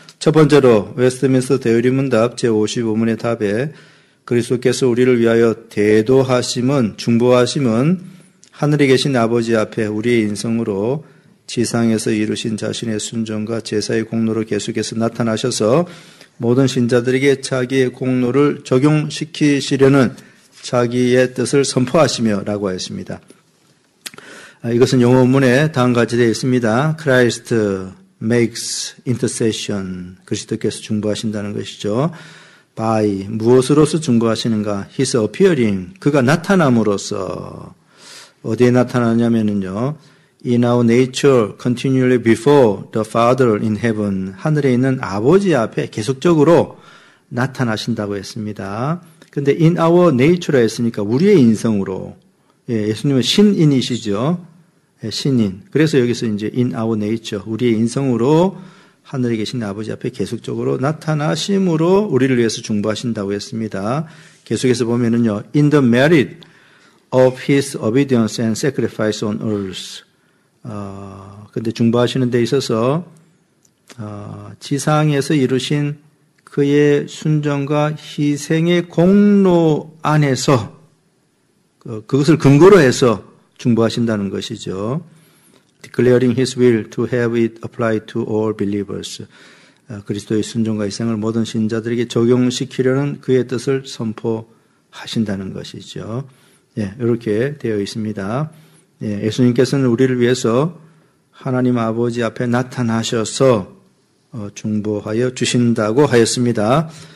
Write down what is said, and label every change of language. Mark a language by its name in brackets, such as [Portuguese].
[Korean] 첫 번째로 웨스트민스터 대여리문답 제55문의 답에 그리스도께서 우리를 위하여 대도하심은 중보하심은 하늘에 계신 아버지 앞에 우리의 인성으로 지상에서 이루신 자신의 순종과 제사의 공로로 계속해서 나타나셔서 모든 신자들에게 자기의 공로를 적용시키시려는 자기의 뜻을 선포하시며 라고 하였습니다. 이것은 용어문에 다음과 같이 되어 있습니다. [English] Christ makes intercession. [Korean] 그리스도께서 중보하신다는 것이죠. [English] By [Korean] 무엇으로서 중보하시는가? [English] His appearing. [Korean] 그가 나타남으로써. 어디에 나타나냐면요. [English] In our nature, continually before the Father in heaven, [Korean] 하늘에 있는 아버지 앞에 계속적으로 나타나신다고 했습니다. 그런데 [English] in our nature [Korean] 라 했으니까 우리의 인성으로, 예, 예수님은 신인이시죠. 예, 신인. 그래서 여기서 이제 [English] in our nature, [Korean] 우리의 인성으로 하늘에 계신 아버지 앞에 계속적으로 나타나심으로 우리를 위해서 중보하신다고 했습니다. 계속해서 보면은요, [English] in the merit of his obedience and sacrifice on earth. [Korean] 근데 중보하시는 데 있어서, 지상에서 이루신 그의 순정과 희생의 공로 안에서, 그것을 근거로 해서 중보하신다는 것이죠. [English] Declaring his will to have it applied to all believers. [Korean] 그리스도의 순종과 희생을 모든 신자들에게 적용시키려는 그의 뜻을 선포하신다는 것이죠. 예, 이렇게 되어 있습니다. 예, 예수님께서는 우리를 위해서 하나님 아버지 앞에 나타나셔서 중보하여 주신다고 하였습니다.